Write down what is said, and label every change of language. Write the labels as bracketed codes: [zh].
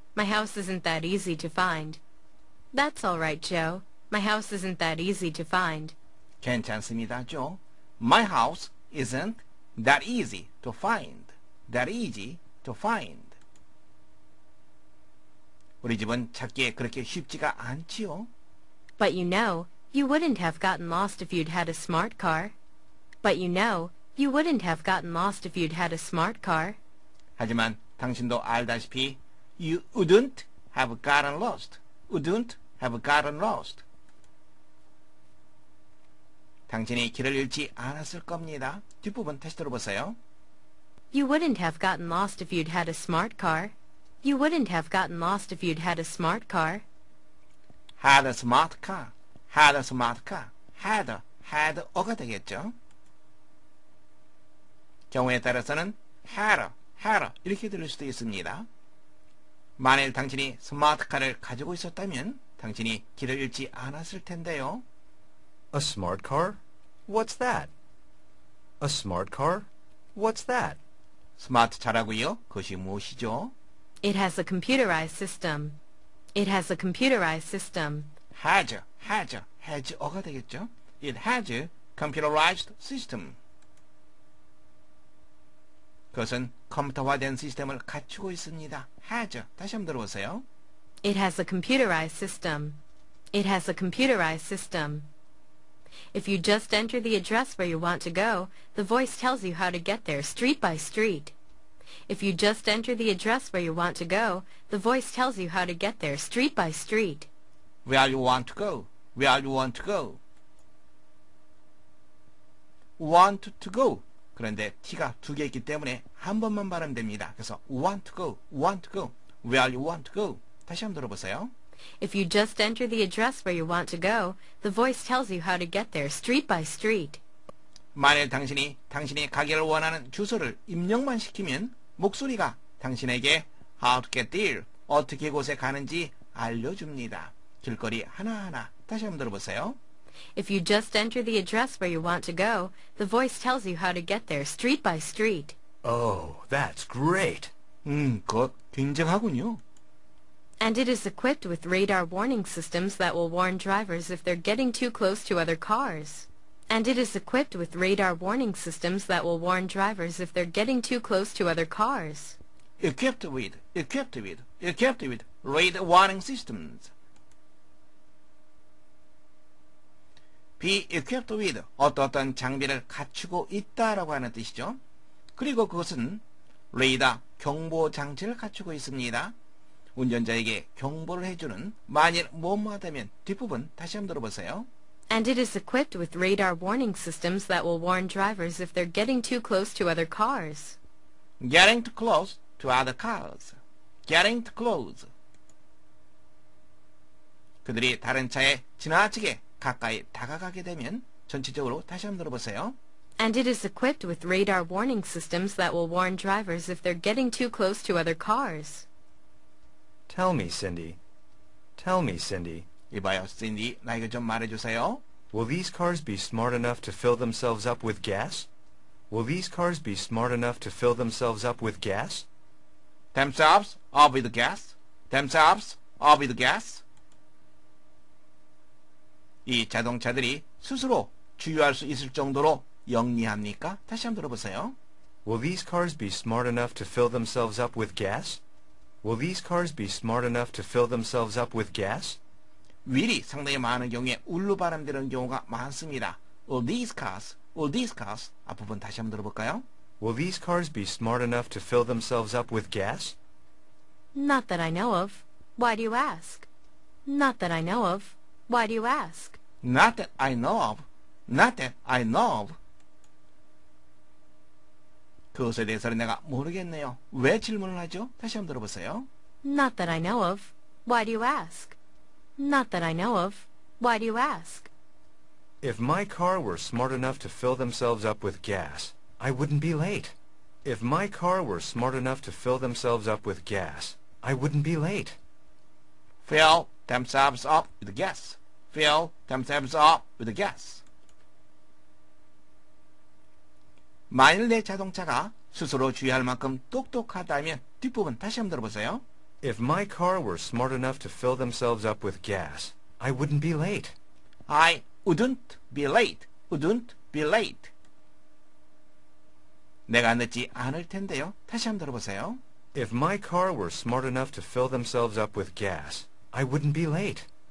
[en] My house isn't that easy to find. That's all right, Joe. My house isn't that easy to find. [ko] 괜찮습니다, Joe. [en] My house isn't that easy to find. That easy to find. [ko] 우리 집은 찾기에 그렇게 쉽지가 않지요. [en] But you know, you wouldn't have gotten lost if you'd had a smart car. But you know, you wouldn't have gotten lost if you'd had a smart car. [ko] 하지만 당신도 알다시피 [en] You wouldn't have gotten lost. Wouldn't have gotten lost. [ko] 당신이 길을 잃지 않았을 겁니다. 뒷부분 테스트로 보세요. [en] You wouldn't have gotten lost if you'd had a smart car. You wouldn't have gotten lost if you'd had a smart car. Had a smart car. Had a smart car. Had. [ko] Had 어가 되겠죠. 경우에 따라서는 had. Had 이렇게 들을 수도 있습니다. 만일 당신이 스마트카를 가지고 있었다면 당신이 길을 잃지 않았을 텐데요. [en] A smart car? What's that? A smart car? What's that? [ko] 스마트차라고요? 그것이 무엇이죠? [en] It has a computerized system. It has a computerized system. [ko] Has 어가 되겠죠? [en] It has a computerized system. [ko] 그것은 컴퓨터화된 시스템을 갖추고 있습니다. Has. 다시 한번 들어보세요. [en] It has a computerized system. It has a computerized system. If you just enter the address where you want to go, the voice tells you how to get there street by street. If you just enter the address where you want to go, the voice tells you how to get there street by street. Where you want to go? Where you want to go? Want to go. [ko] 그런데 T가 두 개 있기 때문에 한 번만 발음됩니다. 그래서 [en] want to go, want to go, where you want to go. [ko] 다시 한번 들어보세요. [en] If you just enter the address where you want to go, the voice tells you how to get there street by street. [ko] 만일 당신이 가기를 원하는 주소를 입력만 시키면 목소리가 당신에게 [en] how to get there, [ko] 어떻게 곳에 가는지 알려줍니다. 길거리 하나하나 다시 한번 들어보세요. [en] If you just enter the address where you want to go, the voice tells you how to get there street by street. Oh, that's great. [ko] 그것 굉장하군요. [en] And it is equipped with radar warning systems that will warn drivers if they're getting too close to other cars. And it is equipped with radar warning systems that will warn drivers if they're getting too close to other cars. Equipped with radar warning systems. Be equipped with [ko] 어떤 장비를 갖추고 있다라고 하는 뜻이죠. 그리고 그것은 레이더 경보 장치를 갖추고 있습니다. 운전자에게 경보를 해주는 만일 무엇하다면 뒷부분 다시 한번 들어보세요. [en] And it is equipped with radar warning systems that will warn drivers if they're getting too close to other cars. Getting too close to other cars. Getting too close. [ko] 그들이 다른 차에 지나치게 가까이 다가가게 되면 전체적으로 다시 한번 들어보세요. [en] And it is equipped with radar warning systems that will warn drivers if they're getting too close to other cars. Tell me, Cindy. Tell me, Cindy. [ko] 이봐요, Cindy. 나에게 좀 말해주세요. [en] Will these cars be smart enough to fill themselves up with gas? Will these cars be smart enough to fill themselves up with gas? Themselves up with gas? Themselves up with gas? [ko] 이 자동차들이 스스로 주유할 수 있을 정도로 영리합니까? 다시 한번 들어보세요. [en] Will these cars be smart enough to fill themselves up with gas? Will these cars be smart enough to fill themselves up with gas? [ko] Will이 상당히 많은 경우에 울로 발음되는 경우가 많습니다. [en] Will these cars? Will these cars? [ko] 앞부분 다시 한번 들어볼까요? [en] Will these cars be smart enough to fill themselves up with gas? Not that I know of. Why do you ask? Not that I know of. Why do you ask? Not that I know of. Not that I know of. [ko] 그것에 대해서는 내가 모르겠네요. 왜 질문을 하죠? 다시 한번 들어보세요. [en] Not that I know of. Why do you ask? Not that I know of. Why do you ask? If my car were smart enough to fill themselves up with gas, I wouldn't be late. If my car were smart enough to fill themselves up with gas, I wouldn't be late. Fill themselves up with gas. Fill themselves up with gas. [ko] 만일 내 자동차가 스스로 주의할 만큼 똑똑하다면 뒷부분 다시 한번 들어보세요. [en] If my car were smart enough to fill themselves up with gas, I wouldn't be late. I wouldn't be late. Wouldn't be late. [ko] 내가 늦지 않을 텐데요. 다시 한번 들어보세요. [en] If my car were smart enough to fill themselves up with gas, I wouldn't be late.